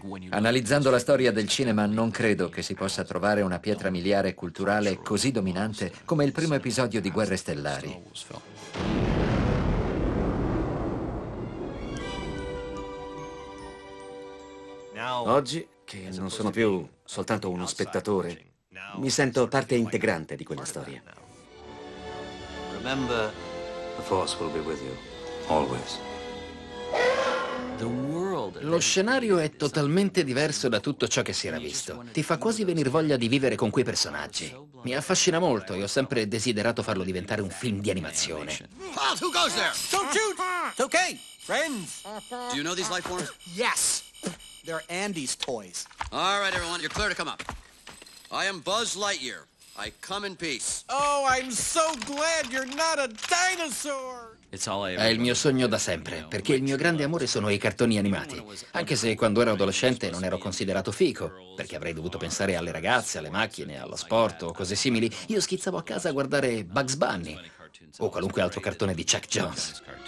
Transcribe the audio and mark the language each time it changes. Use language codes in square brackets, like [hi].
[it] Analizzando la storia del cinema, non credo che si possa trovare una pietra miliare culturale così dominante come il primo episodio di Guerre Stellari. Oggi, che non sono più soltanto uno spettatore, mi sento parte integrante di quella storia. [en] Remember, the Force will be with you, always. [it] Lo scenario è totalmente diverso da tutto ciò che si era visto. Ti fa quasi venir voglia di vivere con quei personaggi. Mi affascina molto e ho sempre desiderato farlo diventare un film di animazione. [en] Walt, who goes there? Don't shoot! It's okay, friends. Do you know these life forms? Yes, they're Andy's toys. All right, everyone, you're clear to come up. I am Buzz Lightyear. I come in peace. Oh, I'm so glad you're not a dinosaur! [it] È il mio sogno da sempre, perché il mio grande amore sono i cartoni animati. Anche se quando ero adolescente non ero considerato fico, perché avrei dovuto pensare alle ragazze, alle macchine, allo sport o cose simili, io schizzavo a casa a guardare Bugs Bunny o qualunque altro cartone di Chuck Jones.